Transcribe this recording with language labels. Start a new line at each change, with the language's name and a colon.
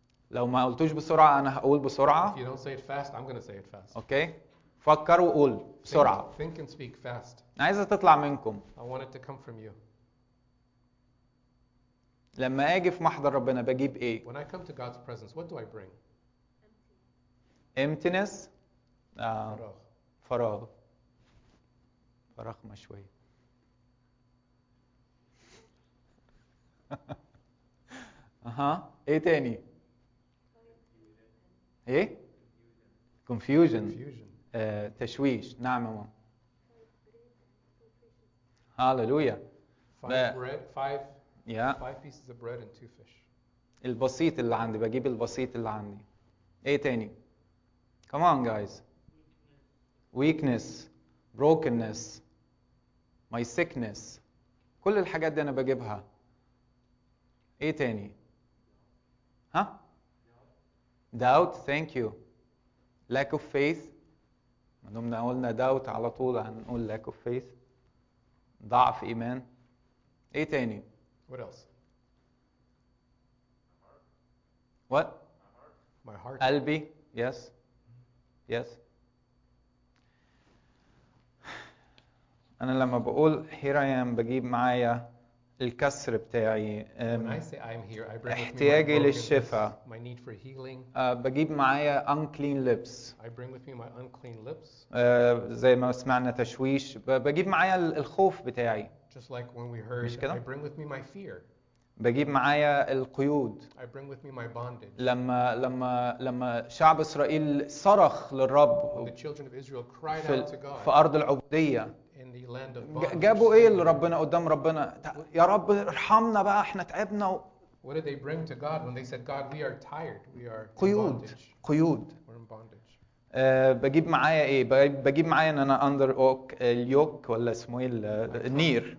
Arabic: لو ما قلتوش بسرعة أنا هقول بسرعة.
English: If you don't say it fast, I'm gonna say it fast.
Arabic: Okay. فكر وقول بسرعة.
English: Think and speak fast.
Arabic: عايزة تطلع منكم.
English: I want it to come from you.
Arabic: لما اجي في محضر ربنا بجيب ايه؟
English: When I come to God's presence, what do I bring? Emptiness.
Arabic: فراغ. فراغ. فراغمة شوية. اها ايه تاني؟ ايه؟ confusion.
English: confusion.
Arabic: تشويش. نعم يا ماما. هللويا.
English: five pieces of bread and two fish.
Arabic: البسيط اللي عندي بجيب البسيط اللي عندي. ايه تاني؟
English: come on guys. weakness. brokenness. my sickness.
Arabic: كل الحاجات دي انا بجيبها. ايه تاني؟ ها؟ doubt.
English: thank you. lack of faith.
Arabic: ما دمنا قلنا doubt على طول هنقول
English: lack of faith.
Arabic: ضعف ايمان. ايه تاني؟
English: what else? what? my heart.
Arabic: قلبي.
English: yes. yes.
Arabic: انا لما بقول
English: here I am
Arabic: بجيب معايا الكسر بتاعي. احتياجي للشفاء.
English: my need for healing.
Arabic: بجيب معايا
English: unclean lips. I bring with me my unclean lips.
Arabic: زي ما سمعنا تشويش. بجيب معايا الخوف بتاعي.
English: just like when we heard.
Arabic: مش كده؟
English: I bring with me my fear.
Arabic: بجيب معايا القيود.
English: I bring with me my bondage.
Arabic: لما شعب إسرائيل صرخ للرب.
English: the children of Israel cried out to God.
Arabic: في أرض العبودية.
English: in the land of bondage.
Arabic: جابوا ايه لربنا قدام ربنا؟ يا رب ارحمنا بقى احنا تعبنا.
English: what did they bring to God when they said God we are tired we are in
Arabic: قيود.
English: bondage.
Arabic: قيود.
English: we're in bondage.
Arabic: بجيب معايا ايه؟ بجيب معايا ان انا
English: under oak
Arabic: اليوك ولا اسمه ايه النير.